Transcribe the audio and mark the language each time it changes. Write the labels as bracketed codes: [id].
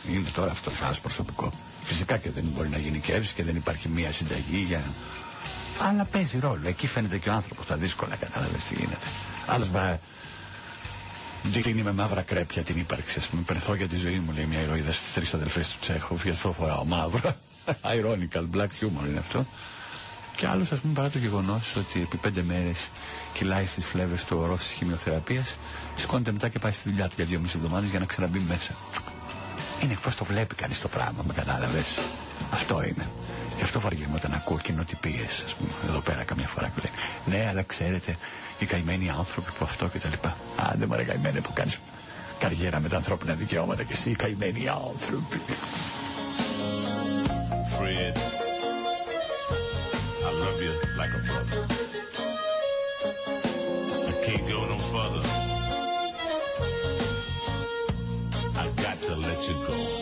[el] Είναι τώρα αυτό σας προσωπικό. Φυσικά και δεν μπορεί να γενικεύσει και δεν υπάρχει μία συνταγή για... Αλλά παίζει ρόλο. Εκεί φαίνεται και ο άνθρωπος τα δύσκολα, κατάλαβες τι γίνεται. Άλλος δίνει με μαύρα κρέπια την ύπαρξη, ας πούμε. Πενθώ για τη ζωή μου, λέει μια ηρωίδα στις τρεις αδελφές του Τσέχοφ, γιατί αυτό φοράω μαύρο. [en] Ironical, black humor [el] είναι αυτό. Και άλλος, ας πούμε, παρά το γεγονός ότι επί πέντε μέρες κυλάει στις φλέβες του ορός της χημειοθεραπείας, σηκώνεται μετά και πάει στη δουλειά του για 2,5 εβδομάδες για να ξαναμπεί μέσα. Είναι πώς το βλέπει κανείς το πράγμα, με κατάλαβες. Αυτό είναι. Γι' αυτό βαριέμαι όταν ακούω κοινοτυπίες, ας πούμε, εδώ πέρα καμιά φορά που λέει. Ναι, αλλά ξέρετε, οι καημένοι άνθρωποι που αυτό και τα λοιπά. Άντε μωρέ καημένε που κάνεις καριέρα με τα ανθρώπινα δικαιώματα και εσύ οι καημένοι άνθρωποι. [en] Fred, I love you like a brother. I can't go no further. I got to let you go.